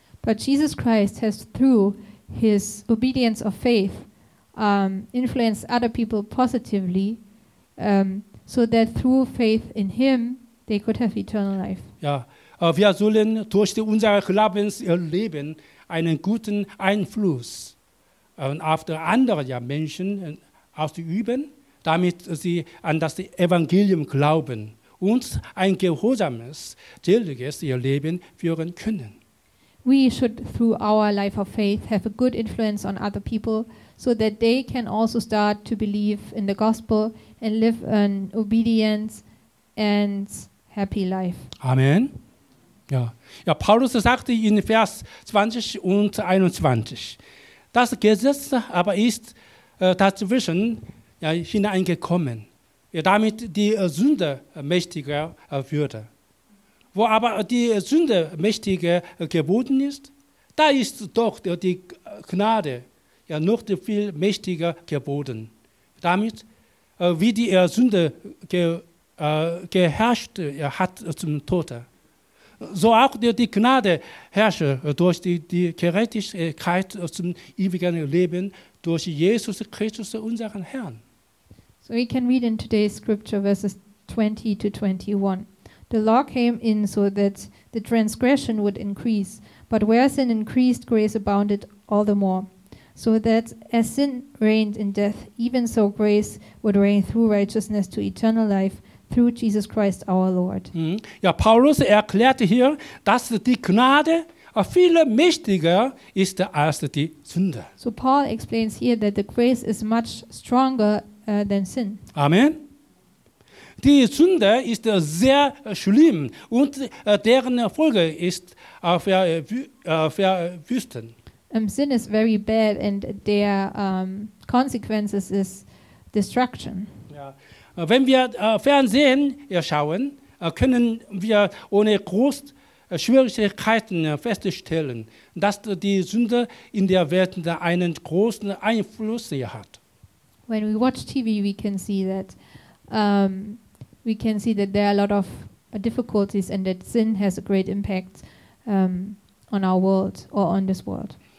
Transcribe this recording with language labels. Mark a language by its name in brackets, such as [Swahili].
[English] But Jesus Christ has, through his obedience of faith, influenced other people positively, so that through faith in him they could have eternal life. [German] Ja, wir sollen durch unser Glaubensleben einen guten Einfluss auf die anderen Menschen ausüben, damit sie an das Evangelium glauben und ein gehorsames, tätiges Leben führen können. [English] We should, through our life of faith, have a good influence on other people, so that they can also start to believe in the gospel and live an obedient and happy life. [German] Amen. Ja. Ja, Paulus sagte in Vers 20 und 21, das Gesetz aber ist dazwischen hineingekommen, damit die Sünde mächtiger würde. Wo aber die Sünde mächtiger geworden ist, da ist doch die Gnade noch viel mächtiger geworden. Damit, wie die Sünde geherrscht hat zum Tode, so auch die Gnade herrsche durch die Gerechtigkeit zum ewigen Leben durch Jesus Christus, unseren Herrn. [English] So we can read in today's scripture verses 20 to 21. The law came in so that the transgression would increase, but where sin increased, grace abounded all the more. So that as sin reigned in death, even so grace would reign through righteousness to eternal life through Jesus Christ our Lord. [German] Ja, Paulus erklärte hier, dass die Gnade viel mächtiger ist als die Sünde. [English] So Paul explains here that the grace is much stronger than sin. [German] Amen. Die Sünde ist sehr schlimm und deren Folge ist Verwüsten. [English] Sin is very bad and their consequences is destruction. [German] Ja. Wenn wir Fernsehen schauen, können wir ohne große Schwierigkeiten feststellen, dass die Sünde in der Welt einen großen Einfluss hat. [English] When we watch TV, we can see that there are a lot of difficulties and that sin has a great impact on our world or on this world.